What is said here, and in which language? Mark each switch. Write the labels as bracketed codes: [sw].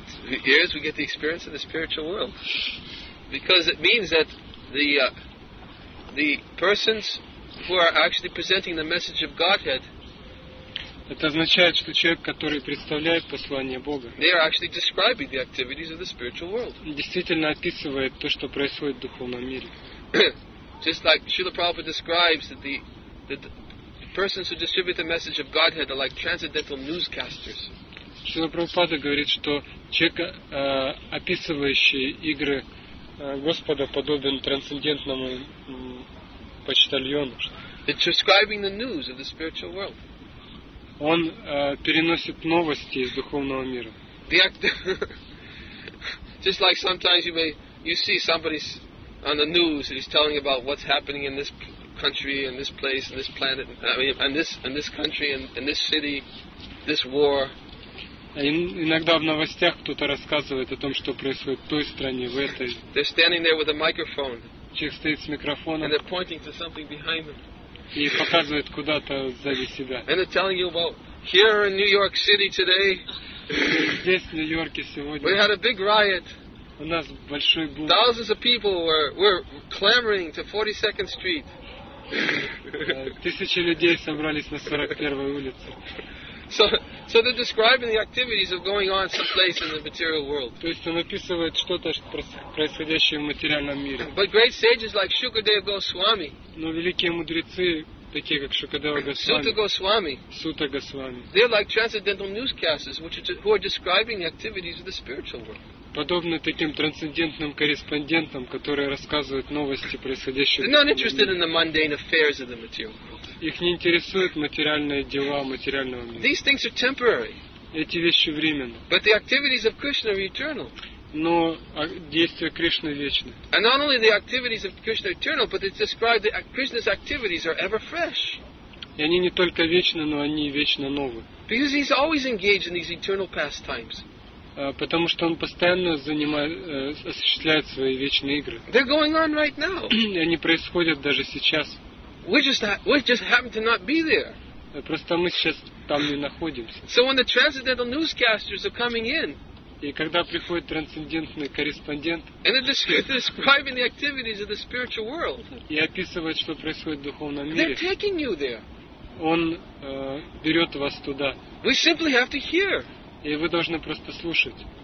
[en] The ears we get the experience of the spiritual world. Because it means that the persons who are actually presenting the message of Godhead. [ru] Это означает, что человек, который представляет послание Бога. [en] They are actually describing the activities of the spiritual world. [ru] Действительно описывает то, что происходит в духовном мире. [en] Just like Srila Prabhupada describes that the persons who distribute the message of Godhead are like transcendental newscasters. [ru] Srila Prabhupada говорит, что человек, описывающий игры Господа, подобен трансцендентному почтальону. [en] Describing the news of the spiritual world. [ru] Он переносит новости из духовного мира. [en] Just like sometimes you see somebody on the news and he's telling about what's happening in this country and this place and this planet and this country and this city, this war. [ru] Иногда в новостях кто-то рассказывает о том, что происходит в той стране, в этой. [en] They're standing there with a microphone. [ru] Человек стоит с микрофоном. [en] And they're pointing to something behind them. [ru] И показывает куда-то сзади себя. [en] And they're telling you about here in New York City today. [ru] Здесь, в Нью-Йорке сегодня. [en] We had a big riot. [ru] У нас большой бунт. [en] Thousands of people were clamoring to 42nd Street. [ru] Тысячи людей собрались на 41-й улице. [en] So they're describing the activities of going on someplace in the material world. [ru] То есть он описывает что-то, происходящее в материальном мире. [en] But great sages like Shukadeva Goswami. [ru] Но великие мудрецы, такие как Шукадева Госвами. Сута Госвами. Сута Госвами. [en] They're like transcendental newscasters, who are describing the activities of the spiritual world. [ru] Подобны таким трансцендентным корреспондентам, которые рассказывают новости, происходящие. [en] They're not interested in the mundane affairs of the material world. [ru] Их не интересуют материальные дела материального мира. [en] These things are temporary. [ru] Эти вещи временны. [en] But the activities of Krishna are eternal. [ru] Но действия Кришны вечны. [en] And not only the activities of Krishna are eternal, but it's described that Krishna's activities are ever fresh. [ru] И они не только вечны, но они вечно новы. [en] Because he's always engaged in these eternal pastimes. [ru] Потому что он постоянно осуществляет свои вечные игры. [en] They're going on right now. [ru] И они происходят даже сейчас. [en] We just happen to not be there. [ru] Просто мы сейчас там не находимся. [en] So when the transcendental newscasters are coming in, [ru] и когда приходит трансцендентный корреспондент, [en] and they're describing the activities of the spiritual world, [ru] и описывает, что происходит в духовном мире, [en] they're taking you there. [ru] Он берет вас туда. [en] We simply have to hear. [ru] И вы должны просто слушать.